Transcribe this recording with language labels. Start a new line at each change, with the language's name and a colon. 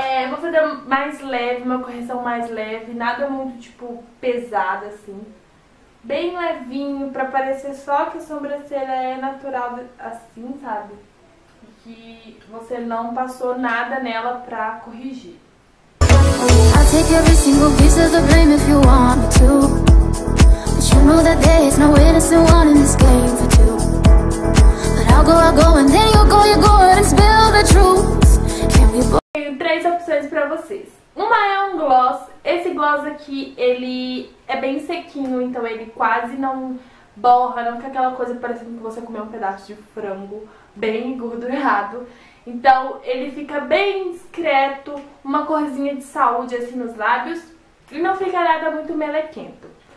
Portuguese: Vou fazer mais leve, uma correção mais leve, nada muito tipo pesada assim. Bem levinho, pra parecer só que a sobrancelha é natural assim, sabe? Que você não passou nada nela pra corrigir.
English: I'll take every single piece of the blame if you want me to. But you know that there is no innocent one in this game for two. But I'll go and then you'll go and spill the truth. Can we both?
Portuguese: Tenho três opções pra vocês. Uma é um gloss. Esse gloss aqui, ele é bem sequinho, então ele quase não borra, não fica aquela coisa parecendo que você comeu um pedaço de frango bem engordurado. Então ele fica bem discreto, uma corzinha de saúde assim nos lábios e não fica nada muito melequento.